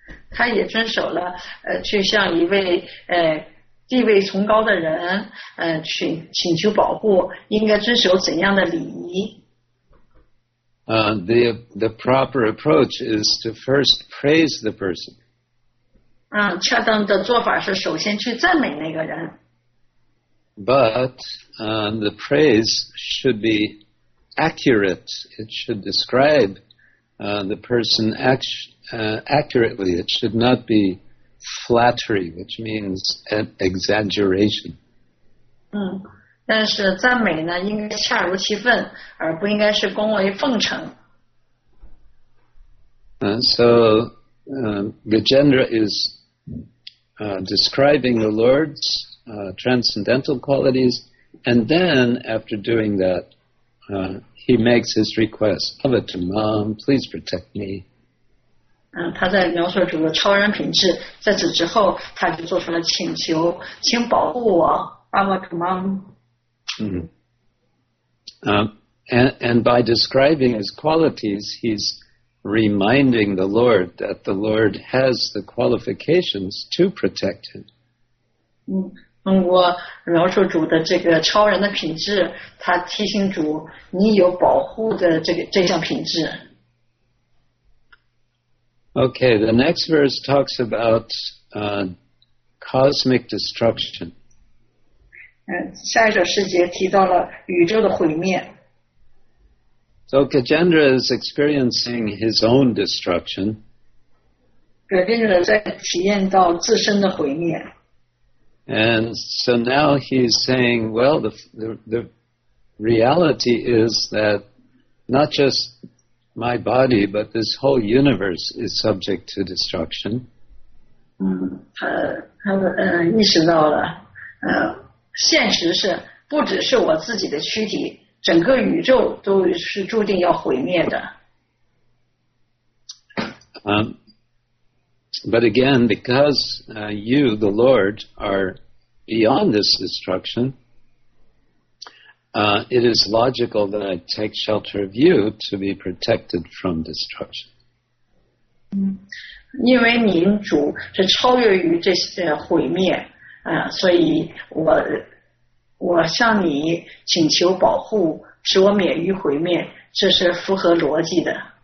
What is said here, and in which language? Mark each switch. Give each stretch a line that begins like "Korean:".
Chinese: 他也遵守了，去向一位，地位崇高的人，请求保护，应该遵守怎样的礼仪？
English: The proper approach is to first praise the person.
Chinese: 恰当的做法是首先去赞美那个人。
English: But the praise should be accurate. It should describe the person accurately. It should not be flattery, which means an exaggeration.
Chinese: 但是赞美呢，应该恰如其分，而不应该是恭维奉承。
English: Gajendra is describing the Lord's transcendental qualities, and then after doing that, he makes his request, Avatu, Mom, please protect me.
Chinese: 他在描述主的超然品质，在此之后他就做出了请求，请保护我，阿玛特玛。
English: And by describing his qualities, he's reminding the Lord that the Lord has the qualifications to protect him.
Chinese: 通过描述主的这个超人的品质，他提醒主你有保护的这项品质。
English: Okay, the next verse talks about cosmic destruction.
Chinese: 下一首诗节提到了宇宙的毁灭。
English: So Gajendra is experiencing his own destruction.
Chinese: Gajendra 在体验到自身的毁灭。
English: And so now he's saying, well, the reality is that not just my body, but this whole universe is subject to destruction.
Chinese: 他意识到了，现实是不只是我自己的躯体。整个宇宙都是注定要毁灭的。
English: But again, because you, the Lord, are beyond this destruction, it is logical that I take shelter of you to be protected from destruction.
Chinese: 因为您主是超越于这些毁灭，所以我向你请求保护，使我免于毁灭，这是符合逻辑的。